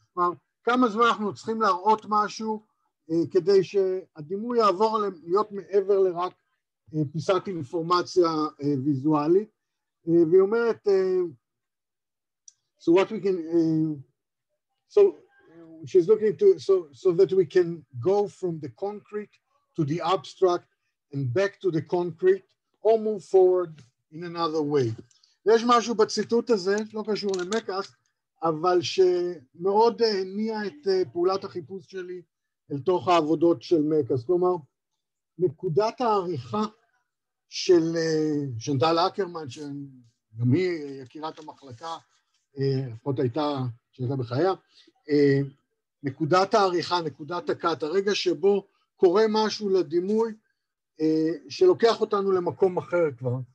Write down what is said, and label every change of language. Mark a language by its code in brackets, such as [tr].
[he] כלומר, כמה זמן אנחנו צריכים להראות משהו כדי שהדימוי יעבור להיות מעבר לרק פיסת אינפורמציה ויזואלית. והיא אומרת, [en] so what we can so she's looking to so that we can go from the concrete to the abstract and back to the concrete or move forward in another way. [he] יש משהו בציטוט הזה לא קשור למקס אבל שמאוד הניע את פעולת החיפוש שלי אל תוך העבודות של מקס. כלומר נקודת העריכה של שנדל אקרמן שגם היא יקירת המחלקה לפחות הייתה, שהייתה בחייה, נקודת העריכה, נקודת הקאט, הרגע שבו קורה משהו לדימוי שלוקח אותנו למקום אחר כבר.